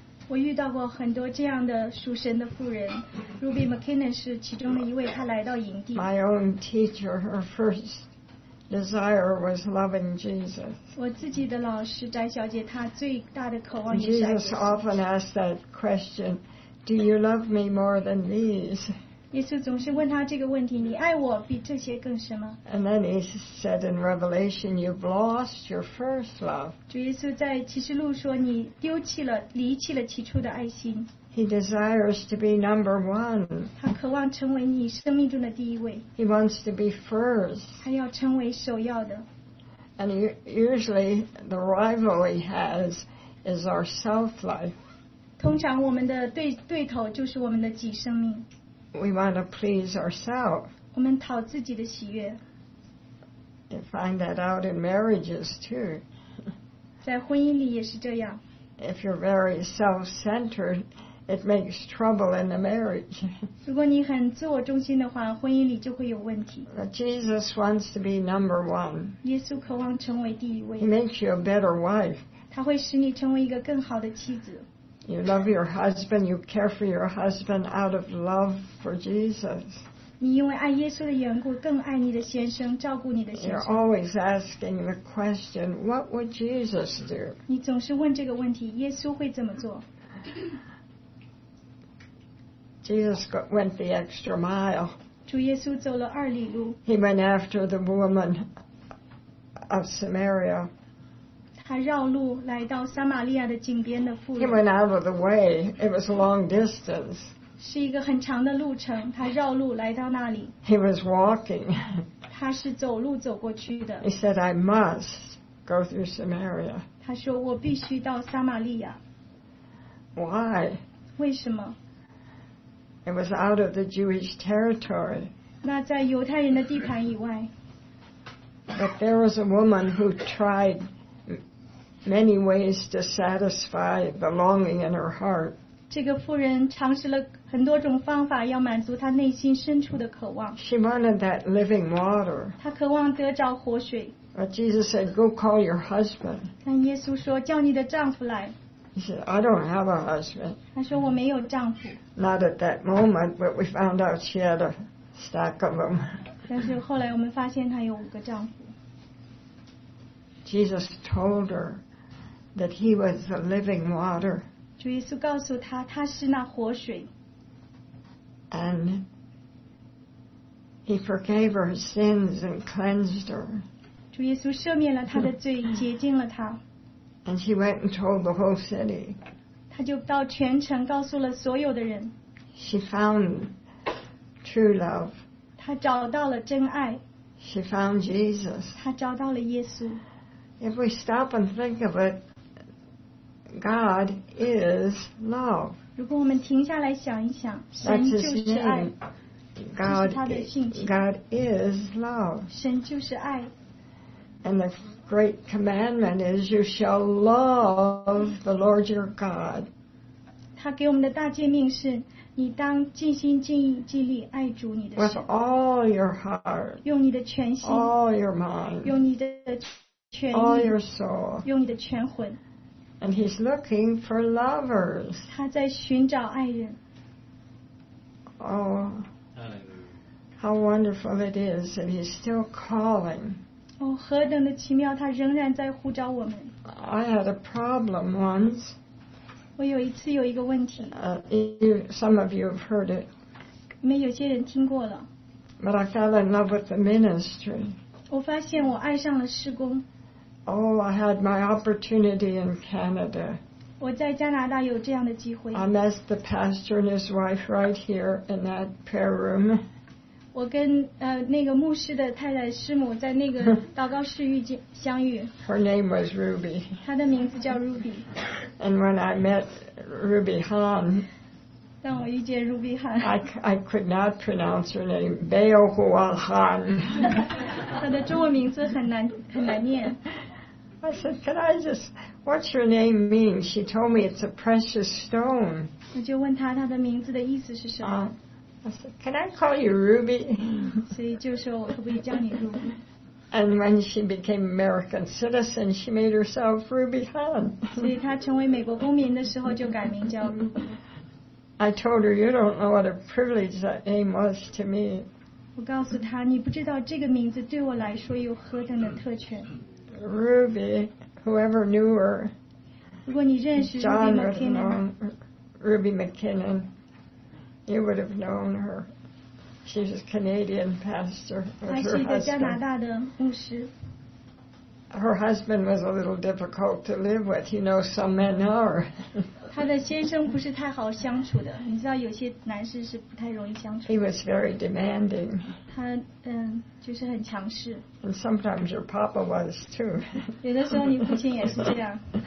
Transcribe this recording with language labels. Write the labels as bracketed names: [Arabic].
[English] Ruby McKinnon, my own teacher, her first desire was loving Jesus. Jesus often asked that question, do you love me more than these? [Chinese] 耶稣总是问他这个问题，你爱我比这些更深吗？ [English] And then he said in Revelation, you've lost your first love. [Chinese] 主耶稣在启示录说，你丢弃了，离弃了起初的爱心。 [English] He desires to be number one. [Chinese] 他渴望成为你生命中的第一位。 [English] He wants to be first. [Chinese] 他要成为首要的。 [English] And usually the rival he has is our self-life. [Chinese] 通常我们的对头就是我们的己生命。 [English] We want to please ourselves. [Chinese] 我们讨自己的喜悦。 [English] You find that out in marriages too. [Chinese] 在婚姻里也是这样。 [English] If you're very self-centered, it makes trouble in the marriage. [Chinese] 如果你很自我中心的话，婚姻里就会有问题。 [English] But Jesus wants to be number one. [Chinese] 耶稣渴望成为第一位。 [English] He makes you a better wife. [Chinese] 他会使你成为一个更好的妻子。 [English] You love your husband, you care for your husband out of love for Jesus. [Chinese] 你因为爱耶稣的缘故，更爱你的先生，照顾你的先生。 [English] You're always asking the question, what would Jesus do? [Chinese] 你总是问这个问题，耶稣会怎么做？ [English] Jesus went the extra mile. [Chinese] 主耶稣走了二里路。 [English] He went after the woman of Samaria. [Chinese] 他绕路来到撒玛利亚的井边的妇人。 [English] He went out of the way. It was a long distance. [Chinese] 是一个很长的路程，他绕路来到那里。 [English] He was walking. [Chinese] 他是走路走过去的。 [English] He said, I must go through Samaria. [Chinese] 他说我必须到撒玛利亚。 [English] Why? [Chinese] 为什么？ [English] It was out of the Jewish territory. [Chinese] 那在犹太人的地盘以外。 [English] But there was a woman who tried. Many ways to satisfy the longing in her heart. [Chinese] 这个妇人尝试了很多种方法，要满足她内心深处的渴望。 [English] She wanted that living water. [Chinese] 她渴望得着活水。 [English] But Jesus said, "Go call your husband." [Chinese] 但耶稣说，叫你的丈夫来。 [English] He said, "I don't have a husband." [Chinese] 她说我没有丈夫。 [English] Not at that moment, but we found out she had a stack of them. [Chinese] 但是后来我们发现她有五个丈夫。 [English] Jesus told her that he was the living water. [Chinese] 主耶稣告诉他，他是那活水。 [English] And he forgave her sins and cleansed her. [Chinese] 主耶稣赦免了他的罪，洁净了他。 [English] And she went and told the whole city. [Chinese] 他就到全城告诉了所有的人。 [English] She found true love. [Chinese] 他找到了真爱。 [English] She found Jesus. [Chinese] 他找到了耶稣。 [English] If we stop and think of it, God is love. [Chinese] 如果我们停下来想一想，神就是爱。 [English] God is love. [Chinese] 神就是爱。 [English] And the great commandment is, you shall love the Lord your God. [Chinese] 他给我们的大诫命是，你当尽心尽意尽力爱主你的神。 [English] With all your heart. [Chinese] 用你的全心。 [English] All your mind. [Chinese] 用你的 [English] All your soul. [Chinese] 用你的全魂。 [English] And he's looking for lovers. [Chinese] 他在寻找爱人。 [English] Oh, how wonderful it is that he's still calling. [Chinese] 哦，何等的奇妙，他仍然在呼召我们。 [English] I had a problem once. [Chinese] 我有一次有一个问题。 [English] Some of you have heard it. [Chinese] 你们有些人听过了。 [English] But I fell in love with the ministry. [Chinese] 我发现我爱上了事工。 [English] Oh, I had my opportunity in Canada. [Chinese] 我在加拿大有这样的机会。 [English] I met the pastor and his wife right here in that prayer room. [Chinese] 我跟那个牧师的太太师母在那个祷告室遇见相遇。 [English] Her name was Ruby. [Chinese] 她的名字叫 Ruby. [English] And when I met Ruby Han, [Chinese] 当我遇见 Ruby Han, [English] I could not pronounce her name, Beowulf Han. [Chinese] 她的中文名字很难念。 [English] I said, can I just, what's your name mean? She told me it's a precious stone. [Chinese] 我就问她她的名字的意思是什么。 [English] I said, can I call you Ruby? [Chinese] 所以就说我可不可以叫你 Ruby? [English] And when she became American citizen, she made herself Ruby Han. [Chinese] 所以她成为美国公民的时候就改名叫 Ruby. [English] I told her, you don't know what a privilege that name was to me. [Chinese] 我告诉她，你不知道这个名字对我来说有何等的特权。 [English] Ruby, whoever knew her, John Ruby McKinnon, you would have known her. She's a Canadian pastor. Her husband was a little difficult to live with. You know, some men are. [Chinese] 他的先生不是太好相处的，你知道有些男士是不太容易相处。 [English] He was very demanding. [Chinese] 他就是很强势。 [English] And sometimes your papa was too. [Chinese] 有的时候你父亲也是这样。